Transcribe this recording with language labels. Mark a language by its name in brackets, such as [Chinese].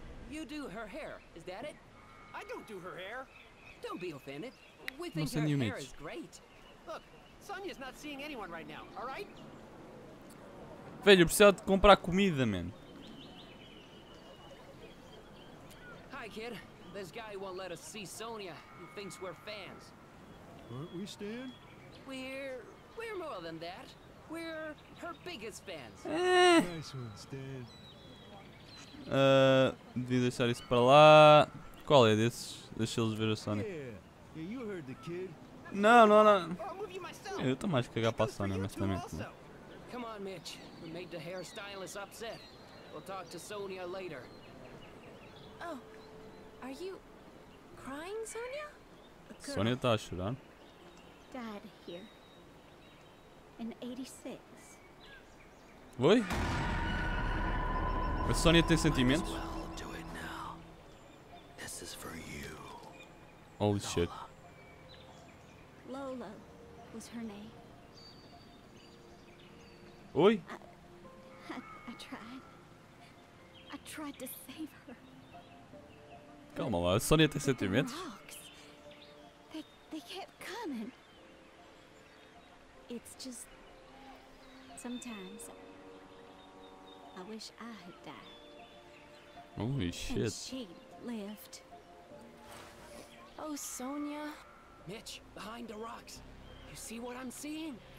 [English] You do her hair, is that it? I don't do her hair. Don't be offended. We think her hair is great. Look, Sonia's not seeing anyone right now, all right? [Portuguese] Velho, eu preciso de comprar comida, man. [English] Hi kid. This guy won't let us see Sonia. He thinks we're fans. Aren't we, Stan? We're more than that. We're her biggest fans. Nice one, Stan. [Portuguese] Devia deixar isso para lá. Qual é desses? Deixa-los ver a Sonia. [English] Yeah, you heard the kid. [Portuguese] Não. Eu estou mais cagar para a Sonia, honestamente. [English] Come on, Mitch. We made the hairstylist upset. We'll talk to Sonia later. Oh, are you crying, Sonia? [Portuguese] Sonia está a chorar. [English] Dad here. In 86. [Portuguese] Oi? A Sonia tem sentimentos? [English] This is for you. Holy shit. Lola was her name. [Portuguese] Oi? [English] I tried to save her. [Portuguese] Calma lá, a Sonia tem sentimentos? [English] They kept coming. It's just sometimes I wish I had died. Holy shit. And she lived. Oh, Sonia. Mitch, behind the rocks. You see what I'm seeing?